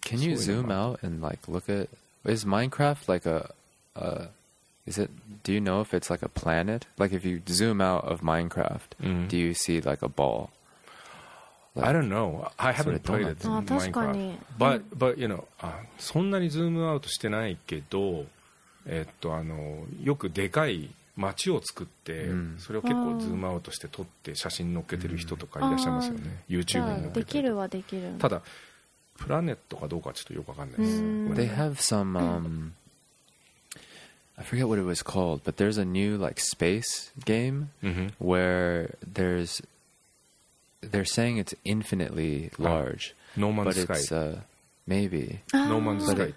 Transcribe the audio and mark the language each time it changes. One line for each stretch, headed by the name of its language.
English: Can you zoom out and like look at is Minecraft like a is it do you know if it's like a planet like if you zoom out of Minecraft、do you see like a ball? Like, I don't know. I haven't played it in Minecraft. But you know,
Japanese: そんなにズームアウトしてないけど、あのよくでかい街を作って、それを結構ズームアウトして撮って写真載っけてる人とかいらっしゃいますよね。 YouTube に載っけて。できるはできる。ただプラネットかどうかちょっとよくわかんないです。
English: They have some, I forget what it was called, but there's a new like space game where they're saying it's infinitely large. No Man's Sky. Maybe. No Man's Sky.